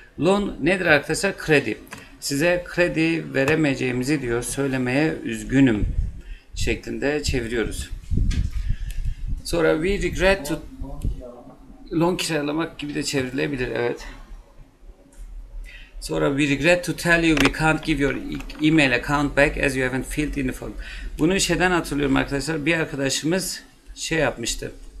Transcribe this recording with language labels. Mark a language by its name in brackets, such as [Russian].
[Turkish] Loan nedir arkadaşlar? Kredi. Size kredi veremeyeceğimizi diyor, söylemeye üzgünüm şeklinde çeviriyoruz. Sonra [English] we regret to loan [Turkish] kiralamak gibi de çevrilebilir, evet. Sonra [English] we regret to tell you we can't give your email account back as you haven't filled in the form. [Turkish] Bunu şeyden hatırlıyorum arkadaşlar, bir arkadaşımız şey yapmıştı.